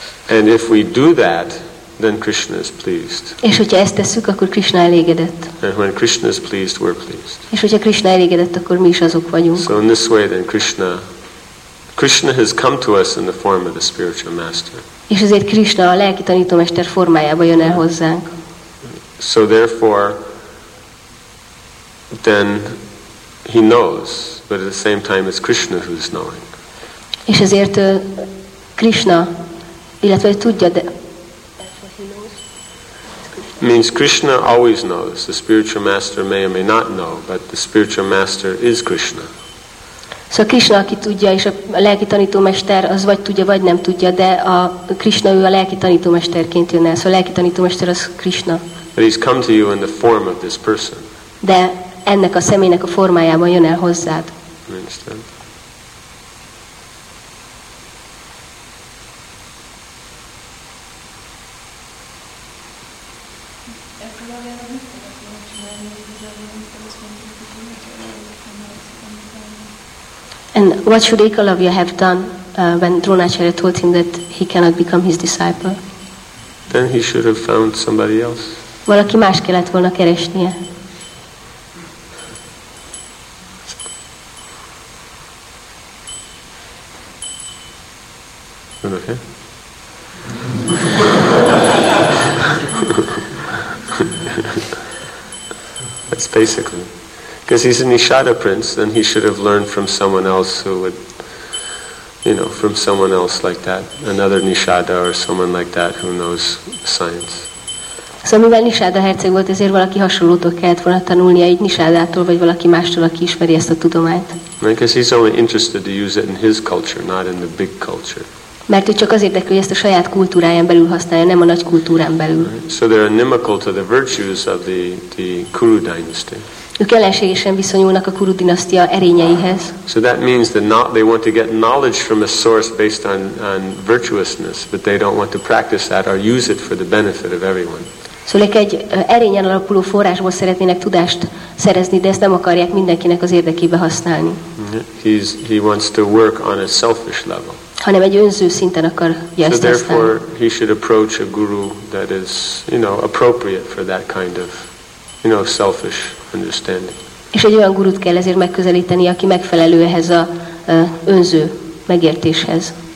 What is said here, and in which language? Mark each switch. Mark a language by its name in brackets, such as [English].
[English] And if we do that, then Krishna is pleased. [Hungarian] És hogyha ezt tesszük, akkor Krishna elégedett. [English] And when Krishna is pleased, we're pleased. [Hungarian] És hogyha Krishna elégedett, akkor mi is azok vagyunk. [English] So in this way, then Krishna has come to us in the form of the spiritual master. [Hungarian] És ezért Krishna a lelki tanítómester formájába jön el hozzánk. [English] So therefore, then he knows, but at the same time, it's Krishna who's knowing. [Hungarian] És ezért Krishna, illetve tudja, de [English] means Krishna always knows. The spiritual master may or may not know, but the spiritual master is Krishna. [Hungarian] So Krishna, aki tudja, és a lelki tanítómester az vagy tudja, vagy nem tudja, de a Krishna ő a lelki tanítómesterként jön el. So a lelki tanítómester az Krishna. [English] But he's come to you in the form of this person. [Hungarian] De ennek a személynek a formájában jön el hozzád. [English] Understand? And what should Ekalavya have done when Dronacharya told him that he cannot become his disciple? Then he should have found somebody else. [Hungarian] Valaki más kellett volna keresnie. [English] Okay. That's basically. Because he's a Nishada prince, then he should have learned from someone else who would, you know, from someone else like that, another Nishada or someone like that who knows science. [Hungarian] So, mivel Nishada herceg volt, ezért valaki hasonlótól kellett volna tanulnia, egy Nishadától vagy valaki mástól, aki ismeri ezt a tudományt. [English] Because he's only interested to use it in his culture, not in the big culture. [Hungarian] Mert ő csak az érdekli, hogy ezt a saját kultúráján belül használja, nem a nagy kultúrán belül. [English] So they're inimical to the virtues of the Kuru dynasty. [Hungarian] Ők ellenségesen viszonyulnak a Kuru dinasztia erényeihez. [English] So that means that not they want to get knowledge from a source based on virtuousness, but they don't want to practice that or use it for the benefit of everyone. [Hungarian] Szóval ők egy erényen alapuló forrásból szeretnének tudást szerezni, de ezt nem akarják mindenkinek az érdekébe használni. [English] He wants to work on a selfish level. [Hungarian] Hanem egy önző szinten akarja ezt. [English] So therefore he should approach a guru that is, you know, appropriate for that kind of, you know, selfish understanding. És egy olyan gurut kell ezért megközelíteni, aki megfelelő ehhez a önző megértéshez.